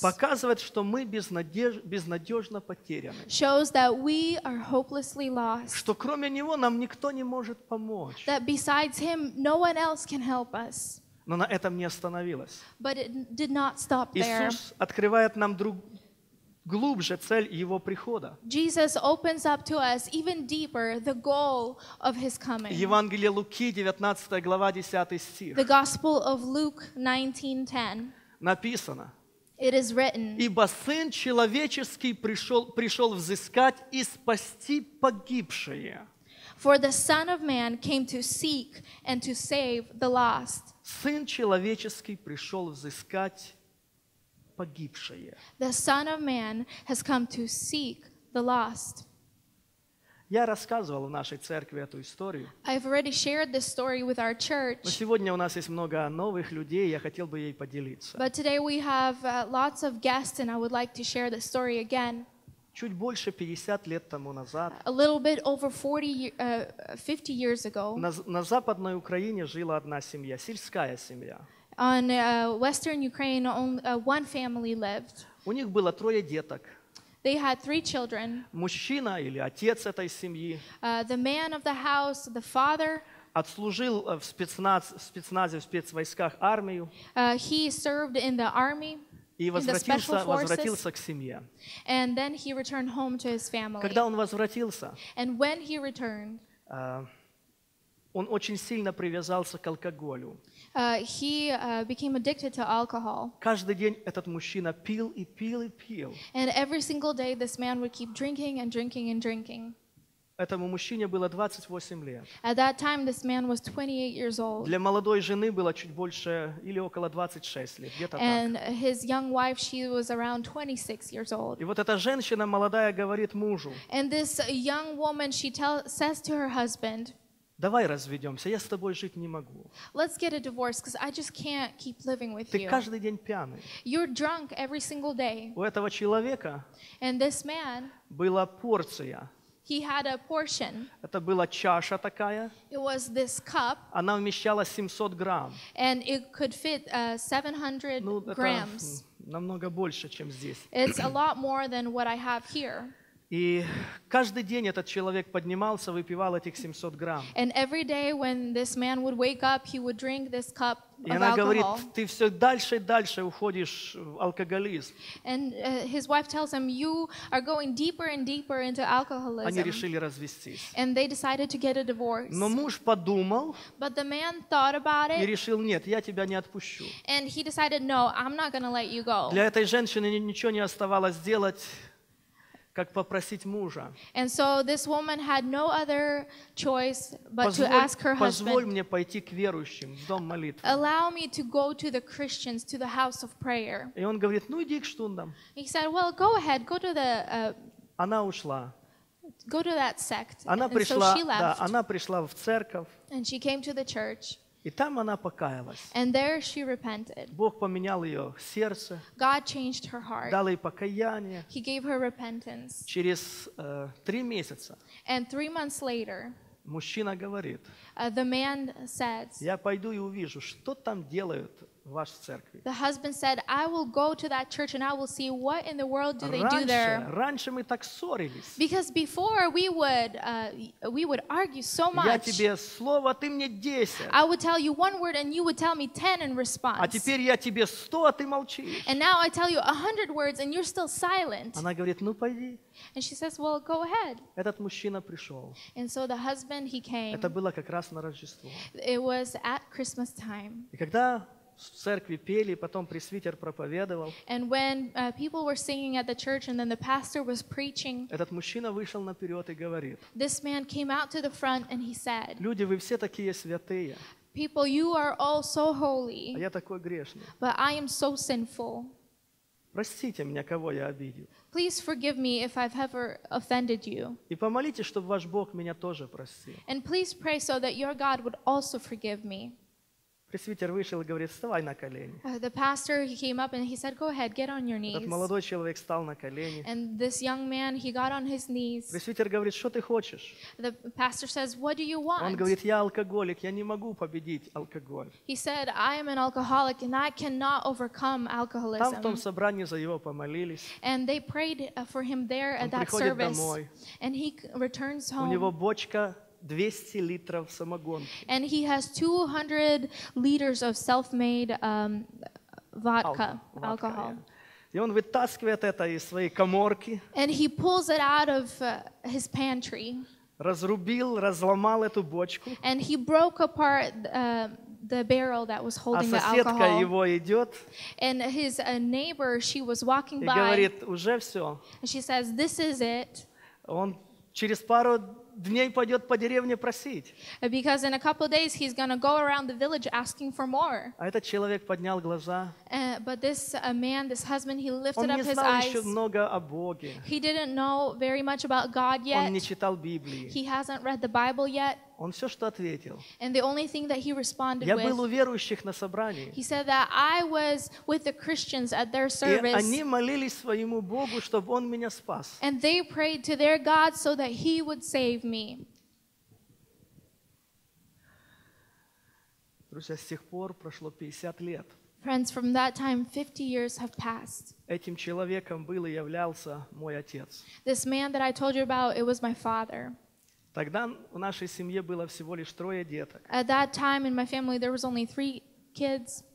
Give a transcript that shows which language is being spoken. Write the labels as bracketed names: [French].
[Russian] показывает, что мы безнадежно потеряны, [English] shows that we are hopelessly lost, [Russian] что кроме него нам никто не может помочь, [English] that besides him no one else can help us. [Russian] Но на этом не остановилось. [English] But it did not stop there. [Russian] Иисус открывает нам глубже цель его прихода. [English] Jesus opens up to us even deeper the goal of his coming. [Russian] Евангелие Луки, 19 глава, 10 стих. [English] The Gospel of Luke 19:10. [Russian] Написано. [English] It is written. [Russian] Ибо Сын человеческий пришел взыскать и спасти погибшие. [English] For the Son of Man came to seek and to save the lost. [Russian] Сын человеческий пришел взыскать погибшие. [English] The Son of Man has come to seek the lost. [Russian] Я рассказывал в нашей церкви эту историю. [English] I've already shared this story with our church. [Russian] Но сегодня у нас есть много новых людей, я хотел бы ей поделиться. [English] But today we have lots of guests and I would like to share the story again. [Russian] Чуть больше 50 лет тому назад. [English] A little bit over 50 years ago. [Russian] На Западной Украине жила одна семья, сельская семья. [English] On Western Ukraine, only one family lived. [Russian] У них было трое деток. [English] They had three children. [Russian] Мужчина или отец этой семьи. [English] The man of the house, the father. [Russian] Отслужил в спецназе, в спецвойсках армию. [English] He served in the army. [Russian] И возвратился к семье. [English] And then he returned home to his family. [Russian] Когда он возвратился? [English] And when he returned. [Russian] Он очень сильно привязался к алкоголю. [English] Became addicted to alcohol. [Russian] Каждый день этот мужчина пил и пил и пил. [English] And every single day this man would keep drinking and drinking and drinking. [Russian] Этому мужчине было 28 лет. [English] At that time this man was 28 years old. [Russian] Для молодой жены было чуть больше или около 26 лет, где-то так. [English] And his young wife, she was around 26 years old. [Russian] И вот эта женщина молодая говорит мужу. [English] And this young woman, she says to her husband, [Russian] давай разведемся, я с тобой жить не могу. [English] Let's get a divorce, because I just can't keep living with [Russian] ты Ты каждый день пьяный. [English] You're drunk every single day. [Russian] У этого человека [English] and this man, [Russian] была порция. [English] He had a portion. [Russian] Это была чаша такая. [English] It was this cup. [Russian] Она вмещала 700 грамм. [English] And it could fit 700 ну, grams. [Russian] Намного больше, чем здесь. [English] It's a lot more than what I have here. [Russian] И каждый день этот человек поднимался, выпивал этих 700 грамм. [English] And every day when this man would wake up, he would drink this cup of alcohol. [Russian] И она говорит, ты все дальше и дальше уходишь в алкоголизм. [English] And his wife tells him, you are going deeper and deeper into alcoholism. [Russian] Они решили развестись. [English] And they decided to get a divorce. [Russian] Но муж подумал. [English] But the man thought about it. [Russian] И решил, нет, я тебя не отпущу. [English] And he decided, no, I'm not going to let you go. [Russian] Для этой женщины ничего не оставалось делать, как попросить мужа. [English] And so this woman had no other choice but [Russian] позволь, [English] to ask her husband. [Russian] Позволь мне пойти к верующим в дом молитвы. [English] Allow me to go to the Christians, to the house of prayer. [Russian] И он говорит, ну иди к штундам. [English] He said, well, go ahead, go to the. [Russian] Она ушла. [English] Go to that sect. [Russian] Она [English] and [Russian] пришла, [English] so she left. [Russian] Да, она пришла в церковь. [English] And she came to the church. [Russian] И там она покаялась. [English] And there she repented. [Russian] Бог поменял ее сердце. [English] God changed her heart. [Russian] Дал ей покаяние. [English] He gave her repentance. [Russian] Через три месяца. [English] And three months later. [Russian] Мужчина говорит. [English] The man says. [Russian] Я пойду и увижу, что там делают в вашей церкви. [English] The husband said, I will go to that church and I will see what in the world do [Russian] раньше, [English] they do there. [Russian] Раньше мы так ссорились. [English] Because before we would argue so much. [Russian] Я тебе слово, ты мне 10. [English] I would tell you one word and you would tell me 10 in response. [Russian] А теперь я тебе 100, а ты молчишь. [English] And now I tell you 100 words and you're still silent. [Russian] Она говорит, ну пойди. [English] And she says, well, go ahead. [Russian] Этот мужчина пришел. [English] And so the husband, he came. [Russian] Это было как раз на Рождество. [English] It was at Christmas time. [Russian] И когда в церкви пели, потом пресвитер проповедовал. [English] And when people were singing at the church and then the pastor was preaching. [Russian] Этот мужчина вышел наперед и говорит. [English] This man came out to the front and he said. [Russian] Люди, вы все такие святые. [English] People, you are all so holy. [Russian] А я такой грешный. [English] But I am so sinful. [Russian] Простите меня, кого я обидел. [English] Please forgive me if I've ever offended you. [Russian] И помолите, чтобы ваш Бог меня тоже простил. [English] And please pray so that your God would also forgive me. [Russian] Пресвитер вышел и говорит, вставай на колени. [English] The pastor, he came up and he said, go ahead, get on your knees. [Russian] Этот молодой человек встал на колени. [English] And this young man, he got on his knees. [Russian] Пресвитер говорит, что ты хочешь? [English] The pastor says, what do you want? [Russian] Он говорит, я алкоголик, я не могу победить алкоголь. [English] He said, I am an alcoholic and I cannot overcome alcoholism. [Russian] Там в том собрании за его помолились. [English] And they prayed for him there at that service. [Russian] Он приходит домой. [English] And he returns home. [Russian] У него бочка 200 литров самогонки. [English] And he has 200 liters of self-made alcohol. [Russian] И он вытаскивает это из своей каморки. [English] And he pulls it out of his pantry. [Russian] Разрубил, разломал эту бочку. [English] And he broke apart the barrel that was holding the alcohol. [Russian] А соседка его идет. [English] And his neighbor, she was walking by. [Russian] И говорит, уже все. [English] And she says, this is it. [Russian] Он через пару дней пойдет по деревне просить. [English] Because in a couple of days he's gonna go around the village asking for more. [Russian] А этот человек поднял глаза. [English] But this man, this husband, he lifted up his eyes. [Russian] Он не знал еще много о Боге. [English] He didn't know very much about God yet. [Russian] Он не читал Библии. [English] He hasn't read the Bible yet. [Russian] Он все, что ответил. [English] And the only thing that he responded with. [Russian] Я был у верующих на собрании. [English] He said that I was with the Christians at their service. [Russian] И они молились своему Богу, чтобы он меня спас. [English] And they prayed to their God so that he would save me. [Russian] Друзья, с тех пор прошло 50 лет. [English] Friends, from that time, 50 years have passed. [Russian] Этим человеком был и являлся мой отец. [English] This man that I told you about, it was my father. [Russian] Тогда в нашей семье было всего лишь трое деток. [English] At that time in my family there was only three kids.